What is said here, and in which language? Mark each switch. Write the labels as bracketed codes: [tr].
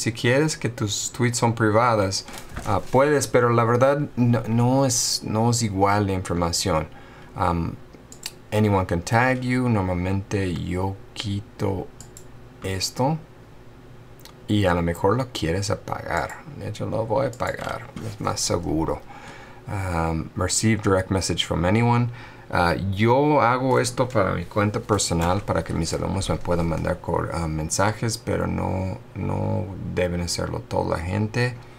[es] Si quieres que tus tweets son privadas, puedes, pero la verdad no es igual la información. [en] Anyone can tag you. [es] Normalmente yo quito esto y a lo mejor lo quieres apagar. De hecho, lo voy a apagar, es más seguro. [en] Receive direct message from anyone. [es] Yo hago esto para mi cuenta personal para que mis alumnos me puedan mandar mensajes, pero no deben hacerlo toda la gente.